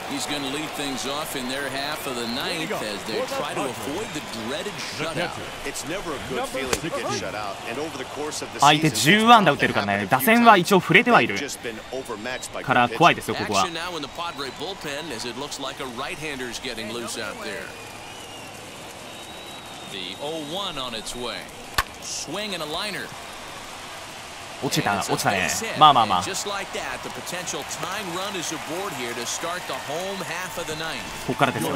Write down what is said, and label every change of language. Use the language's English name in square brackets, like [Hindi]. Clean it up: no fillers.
[English] He's going to lead things off in their half of the ninth as they try to avoid the dreaded shutout. It's never a good feeling to get shut out. And over the course of the [Japanese] season, 相手10安打打ってるからね。打線は一応触れてはいるから怖いですよ、ここは。 [English] Action now in the Padre bullpen as it looks like a right-hander is getting loose out there. The 0-1 on its way. Swing and a liner. [Japanese] 落ちた、落ちたね。まあまあまあ。ここからですよ。